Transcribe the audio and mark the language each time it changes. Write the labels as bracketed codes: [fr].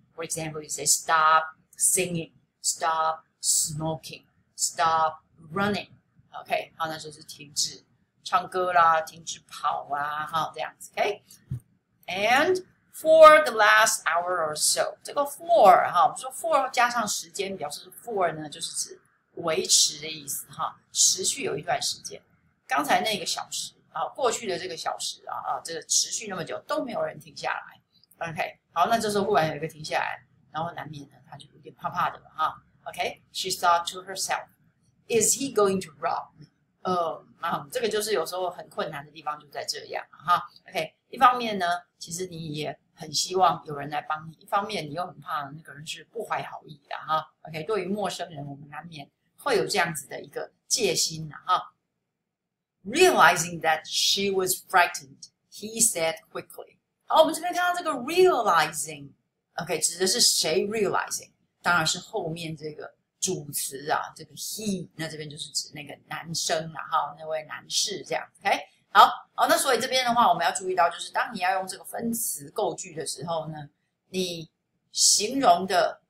[en] For example, you say stop singing, stop smoking, stop running. [zh] OK， 好，那就是停止唱歌啦，停止跑啊，好，这样子 ，OK？ [en] And for the last hour or so， [zh] 这个 for 哈，我们说 for 加上时间，表示 for 呢，就是指。维持的意思哈，持续有一段时间。刚才那个小时啊，过去的这个小时啊，这个持续那么久都没有人停下来。 OK， 好，那这时候忽然有一个停下来，然后难免呢，他就有点怕怕的了哈。 [en] OK， she thought to herself， is he going to rob me？ [zh] 这个就是有时候很困难的地方就在这样哈。OK， 一方面呢，其实你也很希望有人来帮你，一方面你又很怕那个人是不怀好意的哈。 OK， 对于陌生人，我们难免。会有这样子的一个戒心呢、啊，哈。 [en] Realizing that she was frightened, he said quickly. [zh] 好，我们这边看到这个 realizing, OK， 指的是谁 realizing？当然是后面这个主词啊，这个 he， 那这边就是指那个男生啊，哈，那位男士这样 ，OK。好，那所以这边的话，我们要注意到，就是当你要用这个分词构句的时候呢，你形容的。